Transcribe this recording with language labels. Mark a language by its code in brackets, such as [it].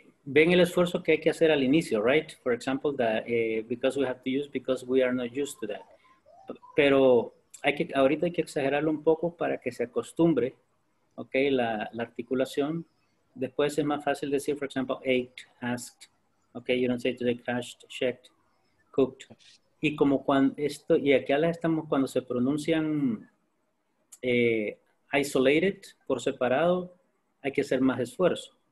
[es] Ven el esfuerzo que hay que hacer al inicio, right? [en] For example, that because we have to use, because we are not used to that. [es] Pero hay que, ahorita hay que exagerarlo un poco para que se acostumbre, ok, la articulación. Después es más fácil decir, for example, [en] ate, asked, ok, you don't say today, crashed, checked, cooked. [es] Y como cuando esto, y aquí ahora estamos cuando se pronuncian isolated, por separado, hay que hacer más esfuerzo.